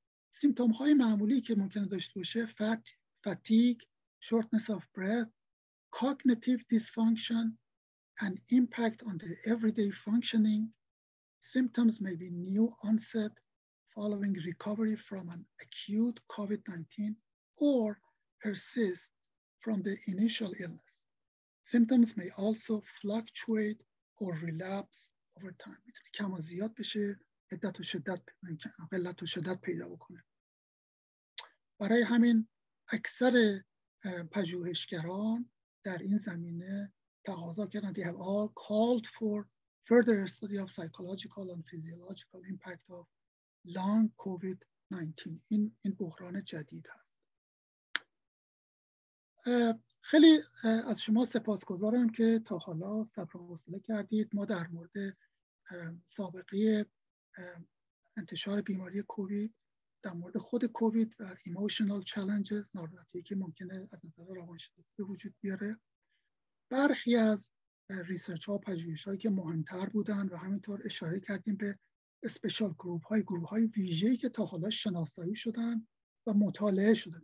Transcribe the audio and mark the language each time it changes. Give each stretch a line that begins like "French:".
English: Symptom های معمولی که ممکنه داشته باشه fatigue, shortness of breath, cognitive dysfunction, an impact on the everyday functioning, symptoms may be new onset following recovery from an acute COVID 19 or persist from the initial illness. Symptoms may also fluctuate or relapse over time.
Persian: میتونه کم و زیاد بشه، قلت و شدت پیدا بکنه. برای همین اکثر پژوهشگران در این زمینه تقاضا کردن
English: they have all called for further study of psychological and physiological impact of long COVID-19.
Persian: این بحران جدید هست. خیلی از شما سپاسگزارم که تا حالا صبر و حوصله کردید. ما در مورد سابقه انتشار بیماری کووید، در مورد خود کووید و ایموشنال چالنجز، ناراحتی که ممکنه از نظر روانشناسی به وجود بیاره، برخی از ریسرچ ها و پژوهش هایی که مهمتر بودن و همینطور اشاره کردیم به اسپیشال گروپ های گروه های ویژه‌ای که تا حالا شناسایی شدن و مطالعه شدن.